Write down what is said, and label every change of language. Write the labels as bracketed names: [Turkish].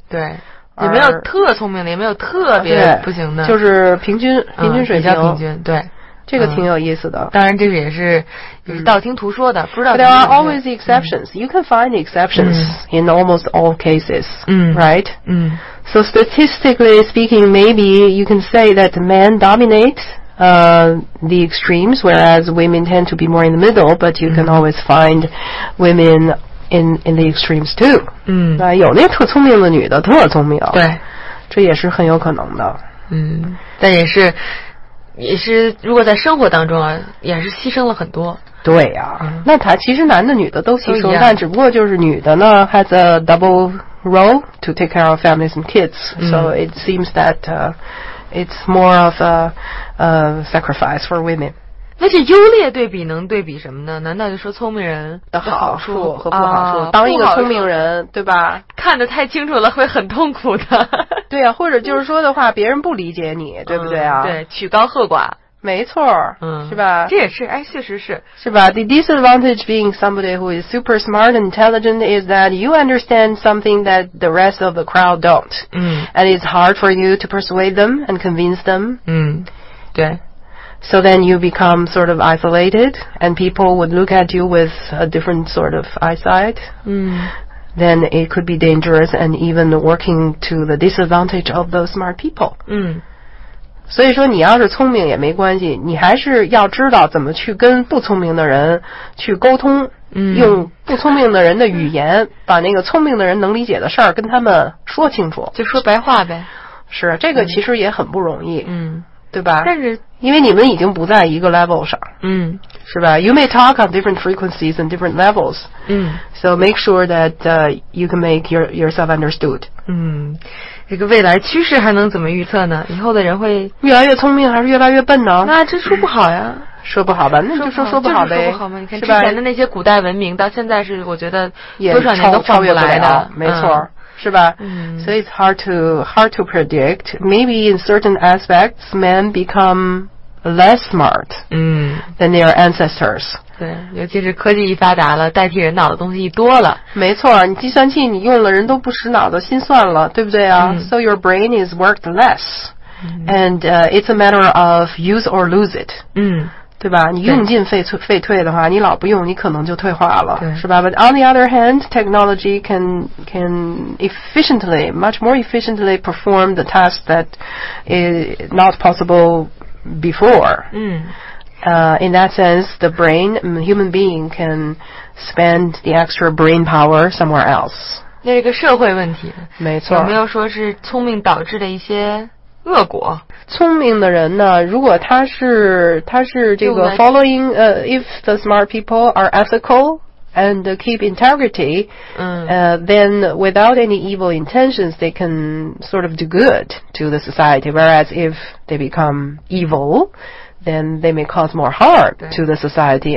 [Chinese] 对，也没有特聪明的，也没有特别不行的，就是平均水平，比较平均，对。这个挺有意思的，嗯，当然这个也是道听途说的，不知道。 [English] There are always exceptions. You can find exceptions in almost all cases, right? So statistically speaking, maybe you can say that men dominate the extremes, whereas women tend to be more in the middle, but you can always find women in the extremes too. 嗯， [Chinese] 那有那特聪明的女的，特聪明，对，这也是很有可能的。嗯，但也是如果在生活当中啊，也是牺牲了很多。对呀，那他其实男的女的都牺牲，但只不过就是女的呢 [English] has a double role to take care of families and kids, so it seems that it's more of a sacrifice for women. [Chinese] 那这优劣对比能对比什么呢？难道就说聪明人的好处和不好处？当一个聪明人，对吧？看得太清楚了会很痛苦的。对啊，或者就是说的话，别人不理解你，对不对啊？对，曲高和寡，没错，嗯，是吧？这也是，哎，确实是，是吧 [English] ？The disadvantage being somebody who is super smart and intelligent is that you understand something that the rest of the crowd don't, and it's hard for you to persuade them and convince them. [Chinese] 嗯，对。 [English] So then you become sort of isolated, and people would look at you with a different sort of eyesight. Mm. Then it could be dangerous and even working to the disadvantage of those smart people. Mm. [Chinese] 所以说你要是聪明也没关系，你还是要知道怎么去跟不聪明的人去沟通，用不聪明的人的语言把那个聪明的人能理解的事儿跟他们说清楚，就说白话呗。是，这个其实也很不容易，嗯，对吧？但是因为你们已经不在一个 level 上，嗯，是吧？ [English] You may talk on different frequencies and different levels, 嗯， so make sure that you can make yourself understood. [Chinese] 嗯，这个未来趋势还能怎么预测呢？以后的人会越来越聪明还是越来越笨呢？那真说不好呀。嗯，说不好吧，那就说说不好呗，就是说不好嘛。你看之前的那些古代文明，到现在是我觉得多少年都换不来的，没错，是吧？嗯，所以 [English] it's hard to predict. Maybe in certain aspects, men become less smart than their ancestors. [Chinese] 对，尤其是科技一发达了，代替人脑的东西一多了。没错，你计算器你用了，人都不使脑子心算了，对不对啊？嗯， [English] So your brain is worked less, and it's a matter of use or lose it. 嗯。 [Chinese] 对吧，你用尽废退的话，你老不用你可能就退化了，对，是吧？ [English] But on the other hand, technology can efficiently, much more efficiently perform the task that is not possible before. 嗯， In that sense, the brain, human being can spend the extra brain power somewhere else. [Chinese] 那是个社会问题。没错。有没有说是聪明导致的一些恶果？聪明的人呢，如果他是这个 [English] following, if the smart people are ethical and keep integrity, then without any evil intentions, they can sort of do good to the society. Whereas if they become evil, then they may cause more harm to the society.